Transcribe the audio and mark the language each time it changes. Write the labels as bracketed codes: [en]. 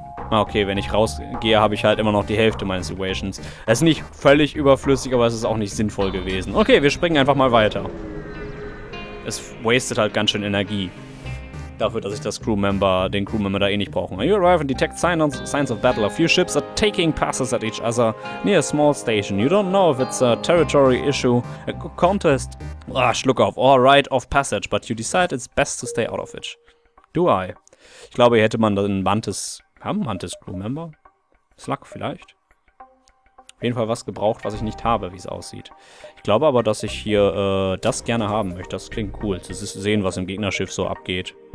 [de] Okay, wenn ich rausgehe, habe ich halt immer noch die Hälfte meines Evasions. Es ist nicht völlig überflüssig, aber es ist auch nicht sinnvoll gewesen. Okay, wir springen einfach mal weiter. Es wastet halt ganz schön Energie. Dafür, dass ich das den Crewmember da eh nicht brauche. [en] You arrive and detect signs of battle. A few ships are taking passes at each other near a small station. You don't know if it's a territory issue, a contest. [de] Schluck auf. [en] Or right of passage, but you decide it's best to stay out of it. Do I? [de] Ich glaube, hier hätte man dann Mantis Crewmember? Slug vielleicht? Auf jeden Fall was gebraucht, was ich nicht habe, wie es aussieht. Ich glaube aber, dass ich hier das gerne haben möchte. Das klingt cool. Das ist sehen, was im Gegnerschiff so abgeht.